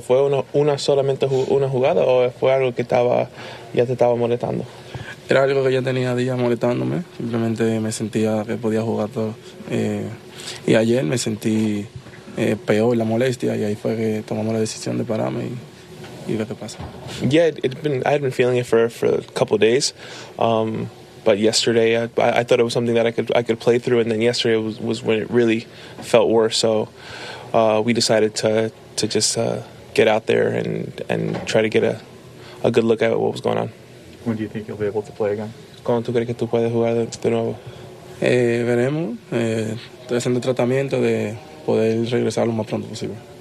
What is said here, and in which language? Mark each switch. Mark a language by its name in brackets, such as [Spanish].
[Spanish] ¿Fue una jugada o fue algo que ya te estaba molestando? Era algo que ya tenía días molestándome. Simplemente me sentía que podía jugar todo. Y ayer me sentí peor la molestia y ahí fue que tomamos la decisión de pararme y ver qué pasa. [English] Yeah, I had been feeling it for a couple of days. But yesterday, I thought it was something that I could play through, and then yesterday was when it really felt worse. So we decided to just get out there and try to get a good look at what was going on. When do you think you'll be able to play again? [Spanish] ¿Cuándo tú crees que tú puedes jugar de nuevo? Veremos. Estoy haciendo tratamiento de poder regresar lo más pronto posible.